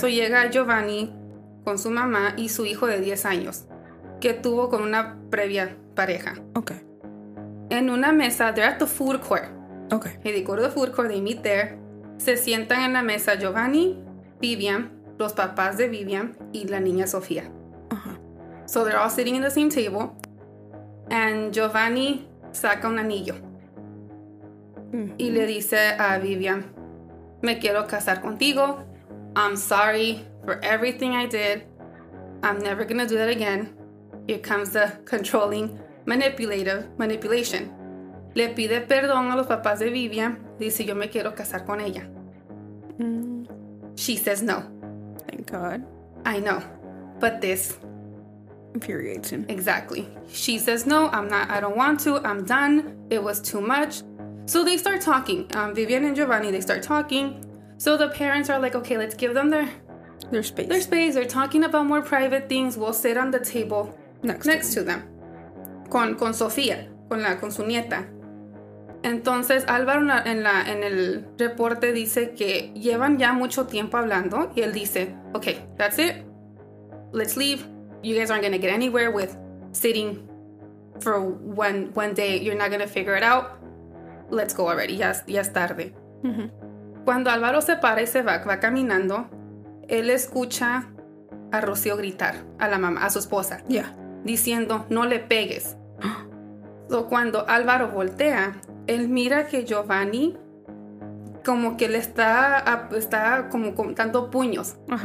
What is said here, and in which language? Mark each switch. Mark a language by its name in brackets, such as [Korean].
[Spanish] So llega Giovanni con su mamá y su hijo de 10 años, que tuvo con una previa pareja. [English] Okay. [Spanish] En una mesa, [English] they're at the food court. Okay. Y they go to the food court, they meet there. [Spanish] Se sientan en la mesa Giovanni, Viviam, los papás de Viviam y la niña Sofía. Uh-huh. [English] So they're all sitting in the same table. [Spanish] And Giovanni saca un anillo. Mm-hmm. Y le dice a Viviam, me quiero casar contigo. [English] I'm sorry for everything I did. I'm never gonna do that again. Here comes the controlling, manipulative manipulation. [Spanish] Le pide perdón a los papás de Viviam. Dice, yo me quiero casar con ella. Mm. [English] She says no. Thank God. I know. But this... infuriates him. Exactly. She says no. I don't want to. I'm done. It was too much. So they start talking. Viviam and Giovanni, they start talking. So the parents are like, okay, let's give them their space. Their space. They're talking about more private things. We'll sit on the table next to them. [Spanish] Con Sofía, con su nieta. Entonces, Álvaro en el reporte dice que llevan ya mucho tiempo hablando. Y él dice, [English] okay, that's it. Let's leave. You guys aren't going to get anywhere with sitting for one day. You're not going to figure it out. Let's go already. [Spanish] Ya es tarde. Mm-hmm. Cuando Álvaro se para y se va caminando, él escucha a Rocío gritar a la mamá, a su esposa. [English] Yeah. [Spanish] Diciendo, no le pegues. So cuando Álvaro voltea, él mira que Giovanni como que le está como dando puños